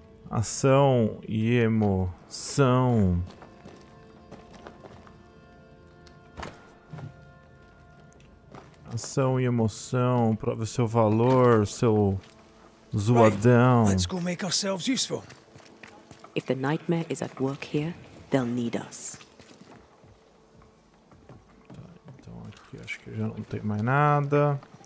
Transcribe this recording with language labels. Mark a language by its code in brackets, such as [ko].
[pt] Ação e emoção. Ação e emoção, prove seu valor, seu zoadão. [en] Right. Let's go make ourselves useful. If the nightmare is at work here, they'll need us. [pt] Tá, então aqui acho que já não tem mais nada.